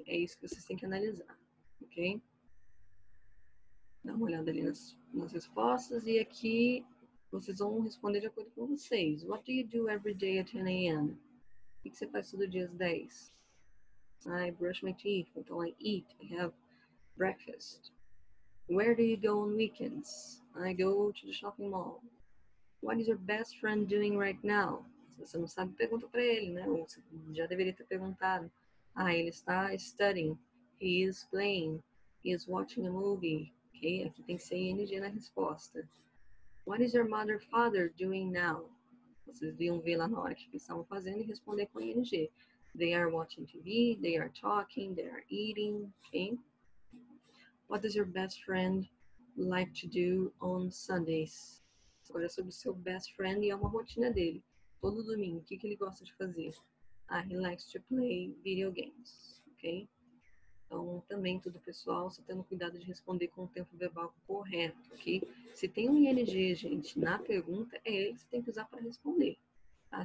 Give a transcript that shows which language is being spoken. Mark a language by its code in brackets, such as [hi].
[pt] É isso que vocês têm que analisar, ok? Dá uma olhada ali nas respostas. E aqui vocês vão responder de acordo com vocês. [en] What do you do every day at 10 a.m.? [pt] O que você faz todo dia às 10? [en] I brush my teeth. [pt] Então, [en] I eat. I have breakfast. Where do you go on weekends? I go to the shopping mall. What is your best friend doing right now? [pt] Se você não sabe, pergunta para ele, né? Ou você já deveria ter perguntado. Ah, ele está studying. [en] He is playing. He is watching a movie. Ok? [pt] Aqui tem que ser ING na resposta. [en] What is your mother father doing now? [pt] Vocês deviam ver lá na hora que estavam fazendo e responder com ING. [en] They are watching TV. They are talking. They are eating. Ok? What does your best friend like to do on Sundays? [pt] Agora é sobre o seu best friend e é uma rotina dele. Todo domingo, o que ele gosta de fazer? Ah, [en] he likes to play video games, [pt] ok? Então, também tudo pessoal, só tendo cuidado de responder com o tempo verbal correto, ok? Se tem um ING, gente, na pergunta, é ele que você tem que usar para responder. Tá?